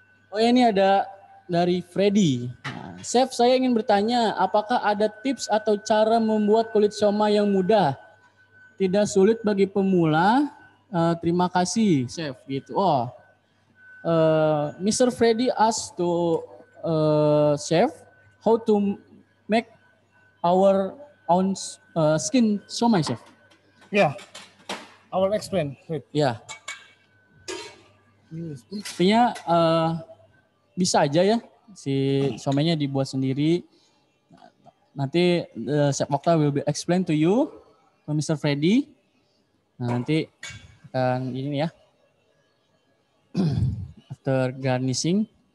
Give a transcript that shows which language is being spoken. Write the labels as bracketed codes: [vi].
[id] Oh ya, ini ada dari Freddy. Nah, Chef, saya ingin bertanya, apakah ada tips atau cara membuat kulit siomay yang mudah, tidak sulit bagi pemula? Terima kasih, Chef. Gitu. Oh, Mr. [en] Freddy asked to Chef how to make our own skin siomay, Chef. Yeah, I will explain. Wait. Yeah. [id] Artinya bisa aja ya si siomaynya dibuat sendiri. [en] Nanti Chef Okta will be explain to you, to Mr. [id] Freddy. Nah, nanti akan ini ya. [en] After garnishing.